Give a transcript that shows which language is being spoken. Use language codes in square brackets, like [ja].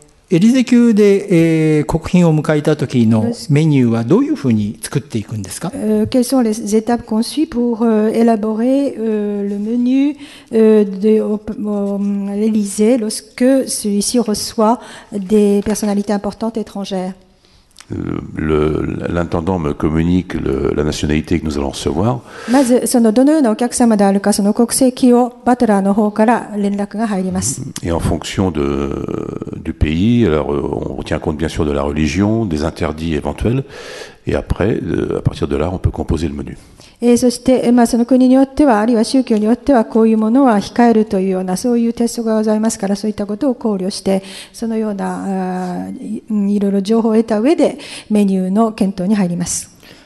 [ja] エリゼ宮で、国賓を迎えた時のメニューはどういうふうに作っていくんですか？ [fr] Quelles sont les étapes qu'on suit pour élaborer le menu de l'Élysée lorsque celui-ci reçoit des personnalités importantes étrangères? L'intendant me communique la nationalité que nous allons recevoir. [ja] まずそのどのようなお客様であるか、その国籍をバトラーの方から連絡が入ります。 [fr] Et en fonction du pays, alors on tient compte bien sûr de la religion, des interdits éventuels, et après, à partir de là, on peut composer le menu. Et [ja] そして、まあ、その国によっては、あるいは宗教によっては、こういうものは控えるというような、そういう鉄則がございますから、そういったことを考慮して、そのようないろいろ情報を得た上で、メニューの検討に入ります。